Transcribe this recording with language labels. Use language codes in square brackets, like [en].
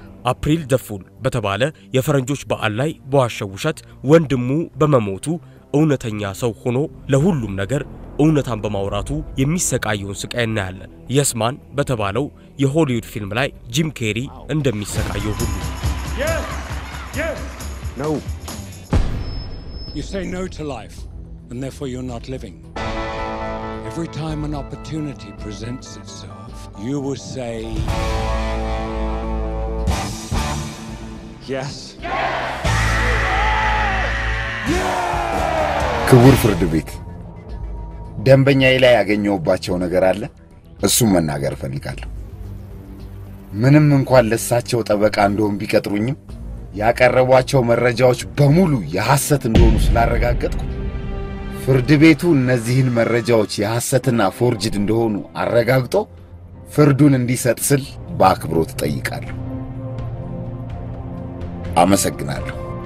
[am] አፕሪል ደፉል በተባለ የፈረንጆች በዓል ላይ በዋሸውሸት ወንድሙ በመሞቱ እውነተኛ ሰው ሆኖ ለሁሉም ነገር እውነታን በማውራቱ የሚሰቃየውን ስቃይ እናያለን። የስማን በተባለው የሆሊውድ ፊልም ላይ ጂም ኬሪ እንደሚሰቃየው ሁሉ [en] ነው። You say no to life and therefore you're not living. Every time an opportunity presents itself, you will say yes. [am] ክቡር ፍርድ ቤት ደንበኛዬ ላይ ያገኘውባቸው ነገር አለ እሱን መናገር ፈልጋለሁ። ምንም እንኳን ለሳቸው ጠበቃ እንደሆን ቢቀጥሩኝ ያቀረቧቸው መረጃዎች በሙሉ የሐሰት እንደሆኑ ስላረጋገጥኩ ፍርድ ቤቱ እነዚህን መረጃዎች የሐሰትና ፎርጅድ እንደሆኑ አረጋግጦ ፍርዱን እንዲሰጥ ስል በአክብሮት ጠይቃለሁ። አመሰግናለሁ።